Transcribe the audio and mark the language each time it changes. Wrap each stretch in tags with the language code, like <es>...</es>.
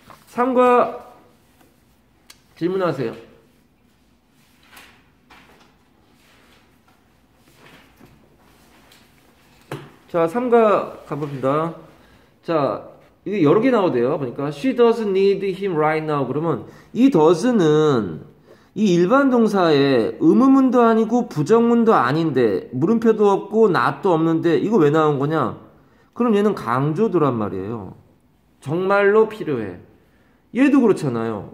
<ko>3과 질문하세요. 자, 3과 가봅니다. 자, 이게 여러 개 나오대요. 보니까</ko> <en>she doesn't need him right now.</en> <ko>그러면 이 does는 이 일반 동사에 의문문도 아니고 부정문도 아닌데 물음표도 없고 not도 없는데 이거 왜 나온 거냐? 그럼 얘는 강조도란 말이에요. 정말로 필요해. 얘도 그렇잖아요.</ko>